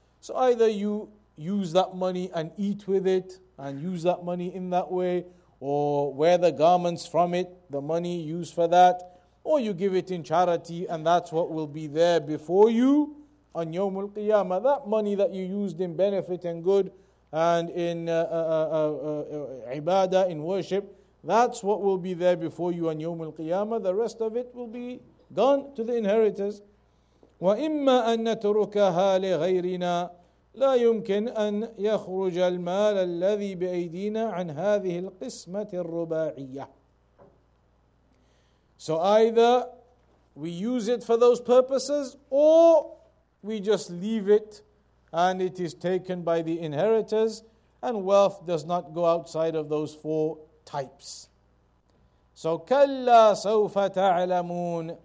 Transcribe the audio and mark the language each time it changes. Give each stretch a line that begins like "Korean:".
English: So either you use that money and eat with it and use that money in that way, or wear the garments from it, the money used for that, or you give it in charity and that's what will be there before you on يَوْمُ الْقِيَامَةِ. That money that you used in benefit and good and in ibadah, in worship, that's what will be there before you on Yawm al-Qiyamah. The rest of it will be gone to the inheritors.
Arabic: وَإِمَّا أَن نَتُرُكَهَا لِغَيْرِنَا لا يمكن أن يخرج المال الذي بأيدينا عن هذه القسمة الرباعية.
English: So either we use it for those purposes or we just leave it and it is taken by the inheritors and wealth does not go outside of those four types.
Arabic: So كَلَّا سَوْفَ تَعْلَمُونَ